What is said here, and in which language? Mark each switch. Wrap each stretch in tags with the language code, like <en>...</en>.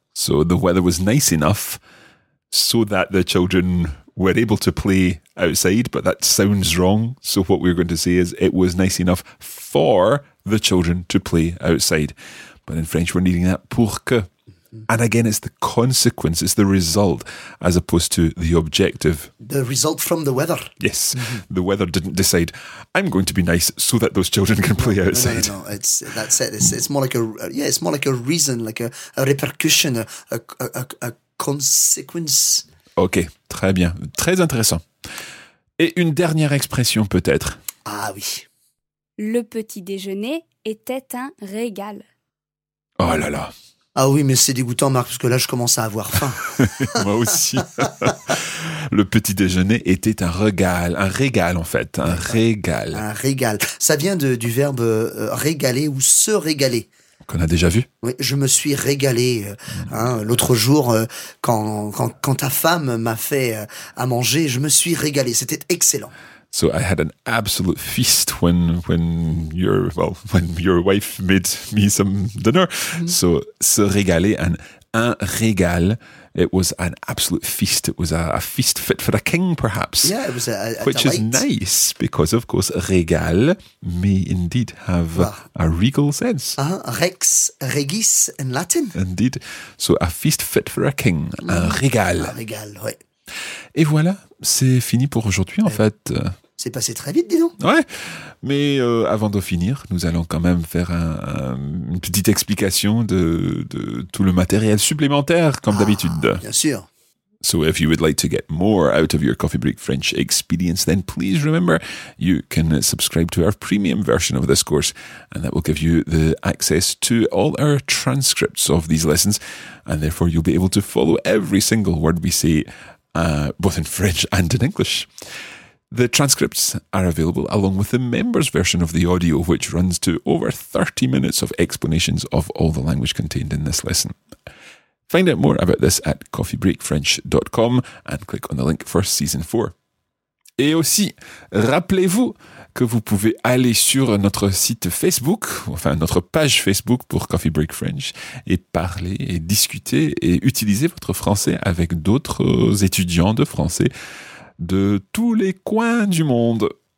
<en>So the weather was nice enough... So that the children were able to play outside, but that sounds wrong. So what we're going to say is it was nice enough for the children to play outside. But in French, we're needing that pour que. And again, it's the consequence, it's the result, as opposed to the objective. The result from the weather. Yes, the weather didn't decide, I'm going to be nice so that those children can play outside. No, that's it. It's more like a reason, like a repercussion, a consequence.</en> <fr>Ok, très bien, très intéressant. Et une dernière expression peut-être. Ah oui. Le petit déjeuner était un régal. Oh là là. Ah oui, mais c'est dégoûtant, Marc, parce que là, je commence à avoir faim. Moi aussi. Le petit déjeuner était un régal, en fait, un régal. Un régal. Ça vient du verbe régaler ou se régaler. Qu'on a déjà vu. Oui, je me suis régalé l'autre jour quand ta femme m'a fait à manger, je me suis régalé, c'était excellent.</fr> <en>So I had an absolute feast when your wife made me some dinner. So se régaler, un régal, it was an absolute feast. It was a feast fit for a king, perhaps. Yeah, it was a which delight. Is nice because, of course, régal may indeed have a regal sense. Rex regis in Latin. Indeed. So a feast fit for a king, un régal. Un régal, oui.</en> <fr>Et voilà, c'est fini pour aujourd'hui, en fait. C'est passé très vite, dis donc. Ouais, mais avant de finir, nous allons quand même faire une petite explication de tout le matériel supplémentaire, comme d'habitude. Bien sûr.</fr> <en>So if you would like to get more out of your Coffee Break French experience, then please remember you can subscribe to our premium version of this course, and that will give you the access to all our transcripts of these lessons, and therefore you'll be able to follow every single word we say, both in French and in English. The transcripts are available along with the members' version of the audio, which runs to over 30 minutes of explanations of all the language contained in this lesson. Find out more about this at coffeebreakfrench.com and click on the link for Season 4.</en> <fr>Et aussi, rappelez-vous que vous pouvez aller sur notre site Facebook, enfin notre page Facebook pour Coffee Break French, et parler et discuter et utiliser votre français avec d'autres étudiants de français de tous les coins du monde.</fr>